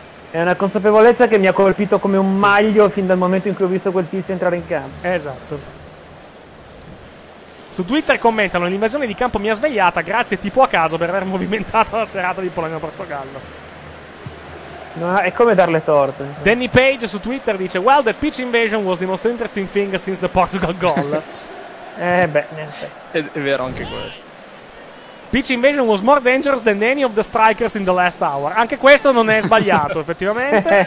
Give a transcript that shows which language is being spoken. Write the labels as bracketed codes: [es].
[it] È una consapevolezza che mi ha colpito come un maglio fin dal momento in cui ho visto quel tizio entrare in campo. Esatto. Su Twitter commentano: l'invasione di campo mi ha svegliata, grazie tipo a caso per aver movimentato la serata di Polonia-Portogallo. No, è come darle torte. Danny Page su Twitter dice: [en] well, the pitch invasion was the most interesting thing since the Portugal goal. [it] niente. È vero anche questo. [en] Pitch invasion was more dangerous than any of the strikers in the last hour. [it] Anche questo non è sbagliato, effettivamente.